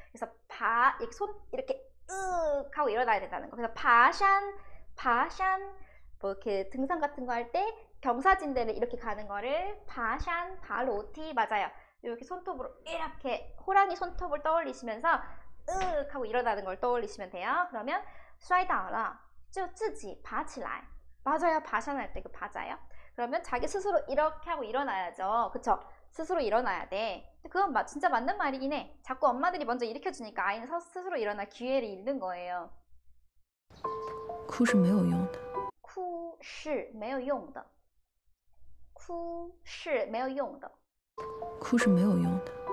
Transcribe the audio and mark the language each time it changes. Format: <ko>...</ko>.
<ko>그래서 바, 이렇게 손, 이렇게 윽 하고 일어나야 된다는 거. 그래서 바샨, 뭐 이렇게 등산 같은 거할때 경사진대를 이렇게 가는 거를 바샨, 바로티, 맞아요. 이렇게 손톱으로 이렇게 호랑이 손톱을 떠올리시면서 윽 하고 일어나는 걸 떠올리시면 돼요.</ko> <zh>그러면 摔倒了, 就自己爬起来。</zh> <ko>맞아요, 爬山할 때그 바자요. 그러면 자기 스스로 이렇게 하고 일어나야죠. 그쵸? 스스로 일어나야 돼. 그건 진짜 맞는 말이긴 해. 자꾸 엄마들이 먼저 일으켜주니까 아이는 스스로 일어날 기회를 잃는 거예요.</ko> <zh>哭是没有用的。哭是没有用的。哭是没有用的。</zh>